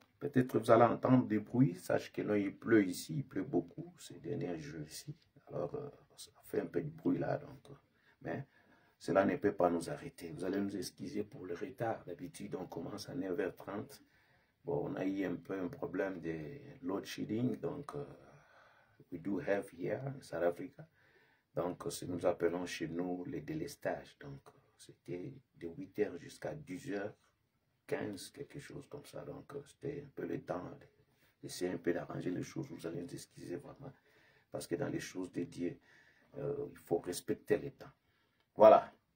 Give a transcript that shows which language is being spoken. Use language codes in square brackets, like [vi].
[fr] Peut-être que vous allez entendre des bruits. Sache que non, il pleut ici, il pleut beaucoup ces derniers jours ici. Alors, ça fait un peu de bruit là. Donc, mais Cela ne peut pas nous arrêter. Vous allez nous excuser pour le retard. D'habitude, on commence à 9h30. Bon, on a eu un peu un problème de load shedding. Donc, [en] we do have here in South Africa. [fr] Donc, ce que nous appelons chez nous le délestage. Donc, c'était de 8h jusqu'à 10h15, quelque chose comme ça. Donc, c'était un peu le temps d'essayer un peu d'arranger les choses. Vous allez nous excuser vraiment. Parce que dans les choses de Dieu, il faut respecter les temps. Voilà.